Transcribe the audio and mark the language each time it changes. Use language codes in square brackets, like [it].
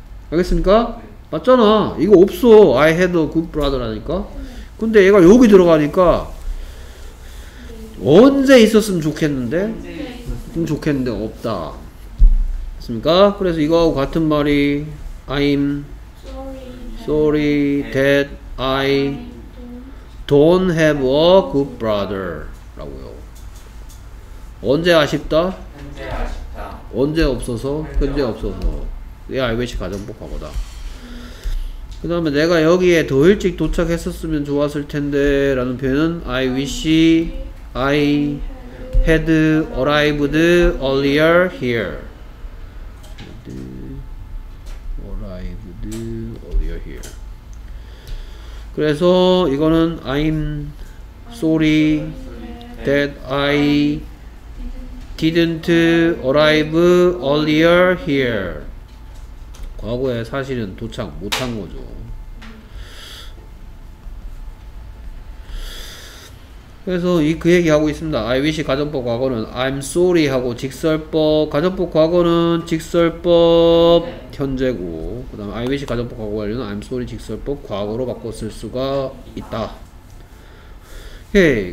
[ko] 알겠습니까? 맞잖아. 이거 없어. [en] I had a good brother [ko] 라니까. 근데 얘가 여기 들어가니까 언제 있었으면 좋겠는데? 좀 좋겠는데 없다. 됐습니까? 그래서 이거하고 같은 말이 [en] I'm sorry that I don't have a good brother [ko] 라고요. 언제 아쉽다? 현재 아쉽다. 언제 없어서? 현재 없어서. 이게 알베시 가정법 과거다. 그 다음에 내가 여기에 더 일찍 도착했었으면 좋았을 텐데 라는 표현은 [en] I wish I had arrived earlier here. Arrived earlier here. [ko] 그래서 이거는 [en] I'm sorry that I didn't arrive earlier here. [ko] 과거에 사실은 도착 못한 거죠. 그래서 그 얘기 하고 있습니다. I wish 가정법 과거는 I'm sorry 하고 직설법 가정법 과거는 직설법 현재고 그 다음에 I wish 가정법 과거 완료는 I'm sorry 직설법 과거로 바꿔 쓸 수가 있다. 오케이.